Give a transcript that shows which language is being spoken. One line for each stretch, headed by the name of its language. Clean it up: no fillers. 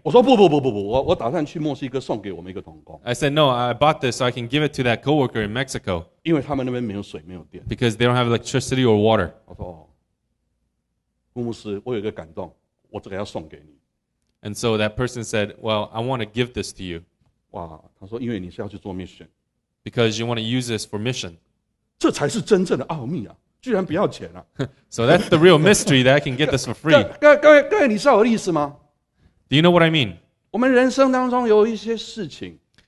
Chinese: 我说不，我打算去墨西哥送给我们一个同工。
English: I said no, I bought this so I can give it to that coworker in Mexico.
Chinese: 因为他们那边没有水，没有电。
English: Because they don't have electricity or water.
Chinese: 我说，胡牧师，我有一个感动，我这个要送给你。
English: And so that person said, well, I want to give this to you.
Chinese: 哇，他说，因为你是要去做 mission，
English: because you want to use this for mission，
Chinese: 这才是真正的奥秘啊！居然不要钱啊！
English: So that's the real mystery that I can get this for free.
Chinese: 各位，你知道我的意思吗
English: ？Do you know what I mean？
Chinese: 我们人生当中有一些事情